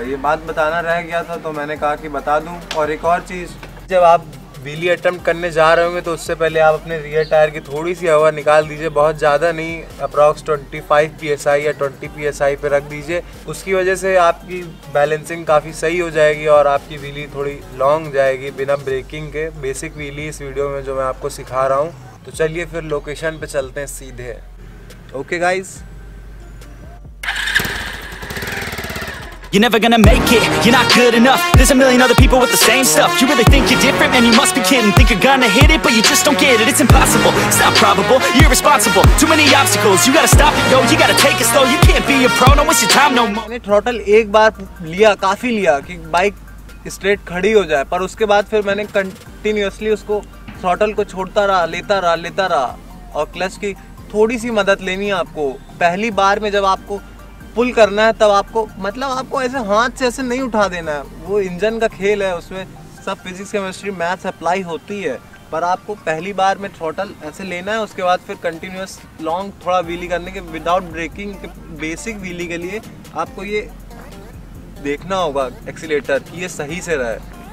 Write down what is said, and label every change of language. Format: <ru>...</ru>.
<hi>ये बात बताना रह गया था तो मैंने कहा कि बता दूँ। और एक और चीज़, जब आप व्हीली अटेम्प्ट करने जा रहे होंगे तो उससे पहले आप अपने रियर टायर की थोड़ी सी हवा निकाल दीजिए, बहुत ज़्यादा नहीं, अप्रॉक्स 25 PSI या 20 PSI पे रख दीजिए, उसकी वजह से आपकी बैलेंसिंग काफ़ी सही हो जाएगी और आपकी व्हीली थोड़ी लॉन्ग जाएगी बिना ब्रेकिंग के, बेसिक व्हीली इस वीडियो में जो मैं आपको सिखा रहा हूं। तो चलिए फिर लोकेशन पे चलते हैं सीधे।</hi> <en>Okay guys, You're never gonna make it, you're not good enough. There's a million other people with the same stuff. You really think you're different, man, you must be kidding. Think you're gonna hit it, but you just don't get it. It's impossible, it's not probable, you're irresponsible. Too many obstacles, you gotta stop it, yo. You gotta take it slow, you can't be a pro. No, it's your time no more.</en> <hi>मैंने throttle एक बार लिया, काफी लिया कि bike straight खड़ी हो जाए, पर उसके बाद फिर मैंने कंटिन्यूअसली उसको थ्रॉटल को छोड़ता रहा, लेता रहा, और क्लच की थोड़ी सी मदद लेनी है आपको पहली बार में, जब आपको पुल करना है तब आपको, मतलब आपको ऐसे हाथ से ऐसे नहीं उठा देना है, वो इंजन का खेल है, उसमें सब फिजिक्स केमिस्ट्री मैथ्स अप्लाई होती है, पर आपको पहली बार में थ्रॉटल ऐसे लेना है, उसके बाद फिर कंटिन्यूस लॉन्ग थोड़ा व्हीली करने के विदाउट ब्रेकिंग के, बेसिक व्हीली के लिए आपको ये देखना होगा एक्सीलेटर कि ये सही से रहे।</hi>